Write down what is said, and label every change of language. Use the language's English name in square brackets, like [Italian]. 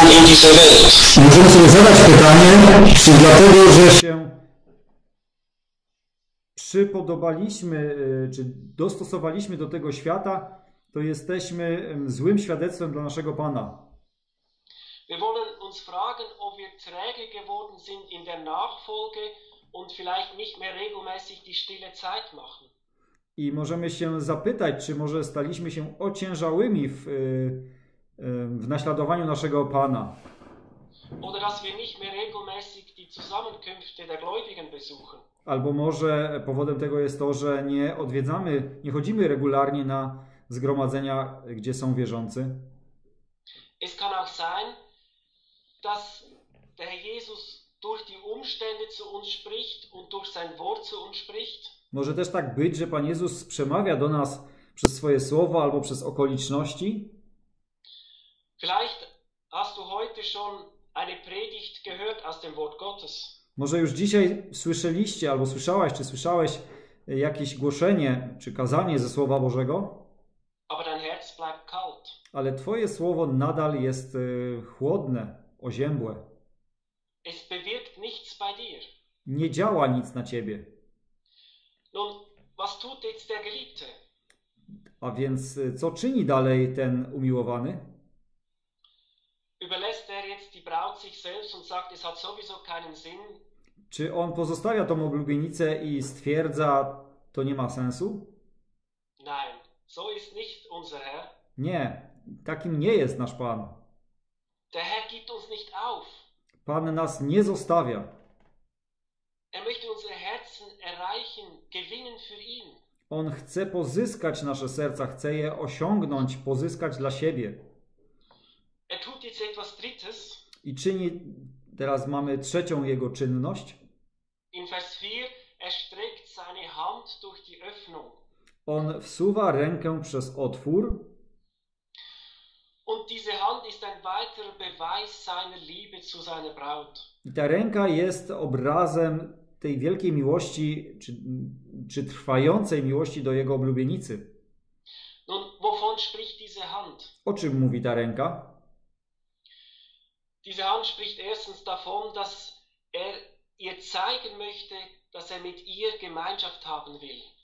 [Polish] Możemy sobie zadać pytanie, czy dlatego, że się przypodobaliśmy, czy dostosowaliśmy do tego świata, to jesteśmy złym świadectwem dla naszego Pana. [German] Wir wollen uns fragen, ob wir träge geworden sind in der Nachfolge und vielleicht nicht mehr regelmäßig die stille Zeit machen. [Polish] I możemy się zapytać, czy może staliśmy się ociężałymi w naśladowaniu naszego Pana. [German] Oder dass wir nicht mehr regelmäßig die Zusammenkünfte der Gläubigen besuchen. [Polish] Albo może powodem tego jest to, że nie odwiedzamy, nie chodzimy regularnie na zgromadzenia, gdzie są wierzący. [German] Es kann auch sein, dass der Herr Jesus durch die Umstände zu uns spricht und durch sein Wort zu uns spricht. [Polish] Może też tak być, że Pan Jezus przemawia do nas przez swoje słowo albo przez okoliczności. [German] Vielleicht hast du heute schon eine Predigt gehört aus dem Wort Gottes. [Polish] Może już dzisiaj słyszeliście, albo słyszałaś, czy słyszałeś jakieś głoszenie, czy kazanie ze Słowa Bożego? [German] Aber dein Herz bleibt kalt. [Polish] Ale Twoje Słowo nadal jest chłodne, oziębłe. [German] Es bewirkt nichts bei dir. [Polish] Nie działa nic na Ciebie. [German] Nun, was tut jetzt der Geliebte? [Polish] A więc co czyni dalej ten umiłowany? [German] Überlässt er jetzt die Braut sich selbst und sagt, es hat sowieso keinen Sinn? [Polish] Czy on pozostawia tą oblubienicę i stwierdza, to nie ma sensu? [German] Nein, so ist nicht unser Herr. [Polish] Nie, takim nie jest nasz Pan. [German] Der Herr gibt uns nicht auf. [Polish] Pan nas nie zostawia. [German] Er möchte unsere Herzen erreichen, gewinnen für ihn. [Polish] On chce pozyskać nasze serca, chce je osiągnąć, pozyskać dla siebie. [German] Er tut jetzt etwas Drittes. [Polish] I czyni, teraz mamy trzecią jego czynność. [German] In Vers 4 erstreckt seine Hand durch die Öffnung. [Polish] On wsuwa rękę przez otwór. [German] Und diese Hand ist ein weiterer Beweis seiner Liebe zu seiner Braut. [Polish] I ta ręka jest obrazem tej wielkiej miłości, czy trwającej miłości do jego oblubienicy. [German] Nun, wovon spricht diese Hand? [Polish] O czym mówi ta ręka? [German] Diese Hand spricht erstens davon, dass er ihr zeigen möchte, dass er mit ihr Gemeinschaft haben will.